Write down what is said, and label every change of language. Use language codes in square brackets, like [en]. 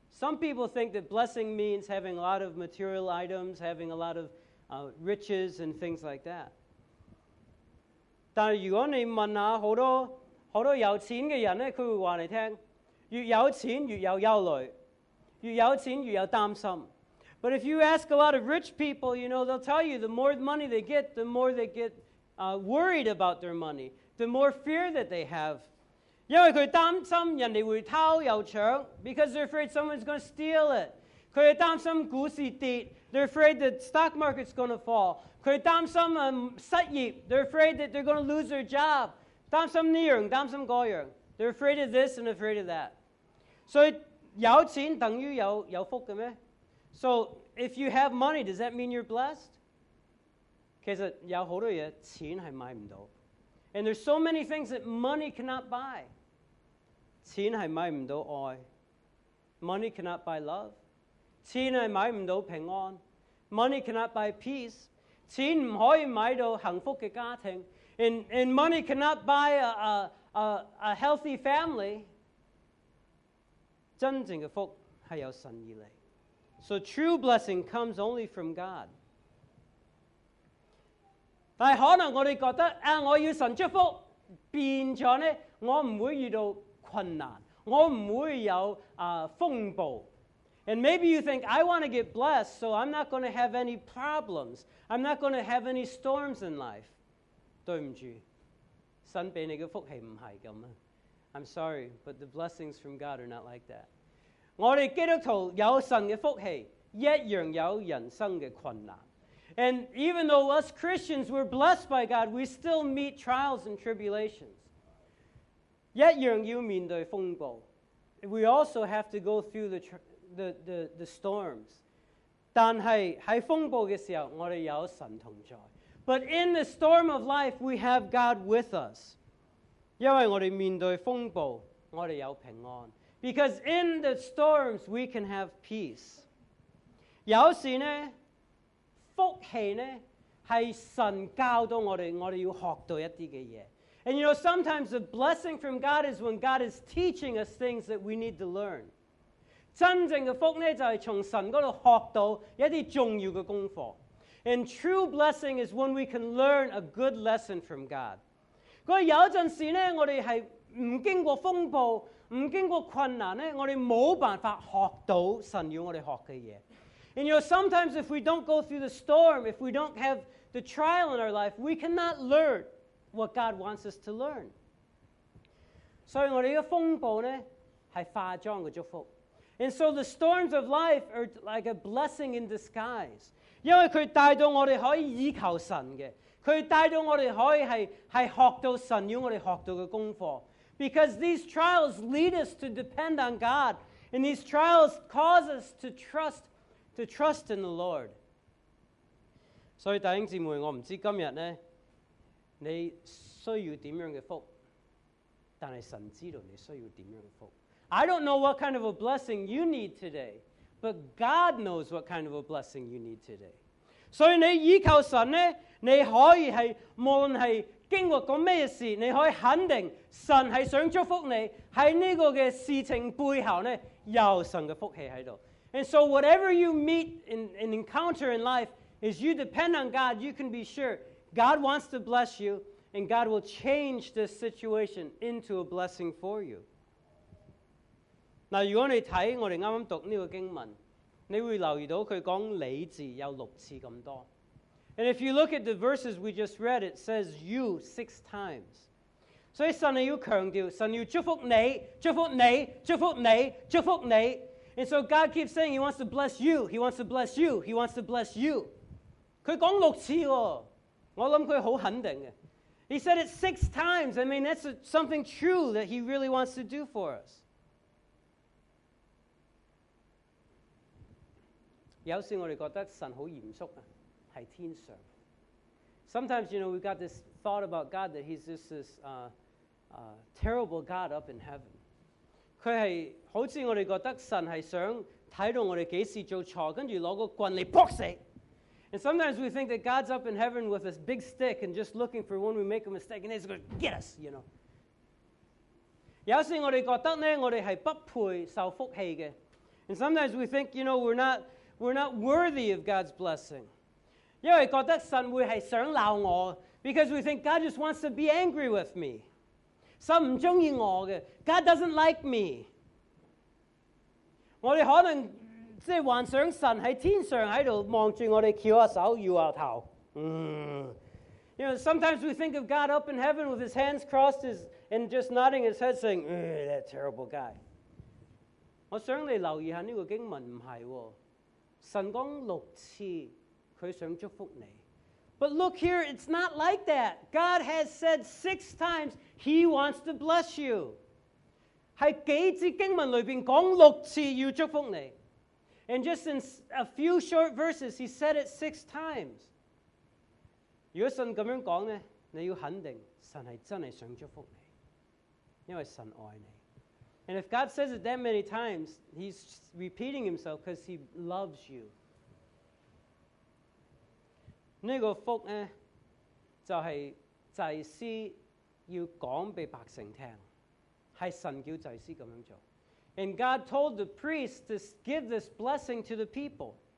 [en] Some people think that blessing means having a lot of material items, having a lot of riches and things like that. [zh] 但如果你问啊，好多有钱的人呢，他会话你听，越有钱越有忧虑，越有钱越有担心。 [en] But if you ask a lot of rich people, you know, they'll tell you the more money they get, the more they get worried about their money, the more fear that they have. [zh] 因为他担心人家会偷又抢， [en] because they're afraid someone's going to steal it. [zh] 他担心股市跌， [en] they're afraid the stock market's going to fall. [zh] 他担心失业， [en] they're afraid that they're going to lose their job. [zh] 担心这样，担心那样， [en] they're afraid of this and afraid of that. [zh] 所以有钱等于有福的吗？ [en] So if you have money, does that mean you're blessed? [zh] 其实有好多东西钱是买不到。 [en] And there's so many things that money cannot buy. [zh] 钱是买不到爱。 [en] Money cannot buy love. [zh] 钱是买不到平安。 [en] Money cannot buy peace. [zh] 钱不可以买到幸福的家庭。 [en] And money cannot buy a healthy family. [zh] 真正的福是由神而来。 [en] So true blessing comes only from God. [zh] 但可能我们觉得，啊，我要神祝福，变了呢，我不会遇到困难，我不会有风暴。 [en] And maybe you think, I want to get blessed, so I'm not going to have any problems. I'm not going to have any storms in life. [zh] 对不住，神给你的福气不是这样。 [en] I'm sorry, but the blessings from God are not like that. [zh] 我们基督徒有神的福气，一样有人生的困难。 [en] And even though us Christians were blessed by God, we still meet trials and tribulations. [zh] 一样要面对风暴。 [en] We also have to go through the storms. [zh] 但是在风暴的时候，我们有神同在。 [en] But in the storm of life, we have God with us. [zh] 因为我们面对风暴，我们有平安。 [en] Because in the storms, we can have peace. [zh] 有时呢，福气呢，是神教导我们，我们要学到一些东西。 [en] And you know, sometimes the blessing from God is when God is teaching us things that we need to learn. [zh] 真正的福呢，就是从神那里学到一些重要的功课。 [en] And true blessing is when we can learn a good lesson from God. [zh] 那有阵时呢，我们是不经过风暴，不经过困难呢，我们没有办法学到神要我们学的东西。 [en] And you know, sometimes if we don't go through the storm, if we don't have the trial in our life, we cannot learn what God wants us to learn. [zh] 所以我们的风暴呢，是化妆的祝福。 [en] And so the storms of life are like a blessing in disguise. [zh] 因为它带到我们可以依靠神的，它带到我们可以 是学到神要我们学到的功课。 [en] Because these trials lead us to depend on God, and these trials cause us to trust in the Lord. [zh] 所以弟兄姊妹，我不知道今天呢你需要怎样的福，但是神知道你需要怎样的福。 [en] I don't know what kind of a blessing you need today, but God knows what kind of a blessing you need today. [zh] 所以你依靠神呢，你可以是无论是经过过什么事，你可以肯定神是想祝福你，在这个的事情背后呢有神的福气在这里。 [en] And so whatever you meet and encounter in life, as you depend on God, you can be sure God wants to bless you and God will change this situation into a blessing for you. [zh] 如果你看我们刚刚读这个经文，你会留意到他讲你字有六次那么多。 [en] And if you look at the verses we just read, it says you six times. [zh] 所以神要强调，神要祝福你，祝福你，祝福你，祝福你。 [en] And so God keeps saying he wants to bless you, he wants to bless you, he wants to bless you. [zh] 他讲六次哦，我想他很肯定的。 [en] He said it six times. I mean, that's something true that he really wants to do for us. [zh] 有时我们觉得神很严肃，是天上。 [en] Sometimes, you know, we've got this thought about God that he's just this terrible God up in heaven. [zh] 他是好像我们觉得神是想看到我们几时做错，跟着拿个棍来扑死。 [en] And sometimes we think that God's up in heaven with this big stick and just looking for when we make a mistake and he's going to get us, you know. [zh] 有时我们觉得呢，我们是不配受福气的。 [en] And sometimes we think, you know, we're not worthy of God's blessing. [zh] 因为觉得神会是想闹我， [en] because we think God just wants to be angry with me. [zh] 神不喜欢我的， [en] God doesn't like me. [zh] 我们可能即是幻想神在天上在这里望着我们翘下手摇下头。 [en] You know, sometimes we think of God up in heaven with his hands crossed and just nodding his head saying, that terrible guy. [zh] 我想你留意一下这个经文，不是哦。神讲六次，他想祝福你。 [en] But look here, it's not like that. God has said six times he wants to bless you. [zh] 在几次经文里面讲六次要祝福你。 [en] And just in a few short verses, he said it six times. [zh] 如果神这样讲呢，你要肯定神是真的想祝福你，因为神爱你。 [en] And if God says it that many times, he's repeating himself because he loves you. [zh] 这个福呢，就是祭司要讲给百姓听，是神叫祭司这样做。 [en] And God told the priest to give this blessing to the people.